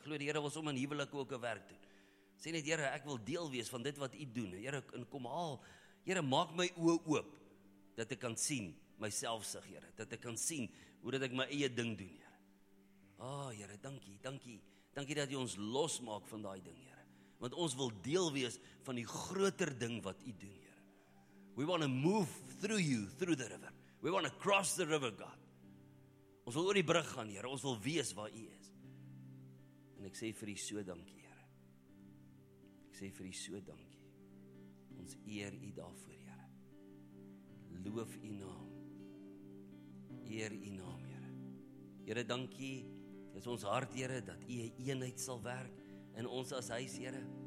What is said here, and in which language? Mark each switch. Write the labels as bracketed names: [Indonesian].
[Afrikaans] Ek glo die Here wil sommer in huwelike ook 'n werk doen. Sê net, Here, ek wil deel wees van dit wat U doen. Here, en kom haal. Here, maak my oë oop dat ek kan sien myselfsug, Here, dat ek kan sien hoe dat ek my eie ding doen, Here. Ah, oh, Here, dankie, dankie. Dankie dat U ons losmaak van daai ding, Here. Want ons wil deel wees van die groter ding wat U doen. [English] We want to move through you, through the river. We want to cross the river, God. [Afrikaans] Ons wil oor die brug gaan, Here. Ons wil weet waar U is. En ek sê vir U so dankie, Here. Ek sê vir U so dankie. Ons eer U daarvoor, Here. Loof U naam. Eer U naam, Here. Here, dankie. Dit is ons hart, Here, dat U 'n eenheid sal werk in ons as huis, Here.